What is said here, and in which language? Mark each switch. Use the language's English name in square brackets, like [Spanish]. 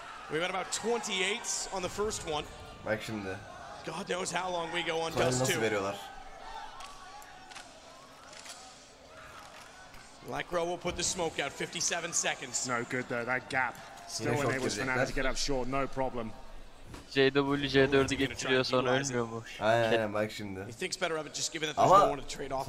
[English] We went about 28 on the first one. [Turkish] Bak şimdi. [English] God knows how long we go on dust too. Lycro will put the smoke out, 57 seconds. No good though, that gap still enables Fnatic to get up short, no problem. [Turkish] JW J4'ü getiriyor sonra ölmüyor mu? Aynen aynen bak şimdi. [English] He thinks better of it just given that there's no one to trade off.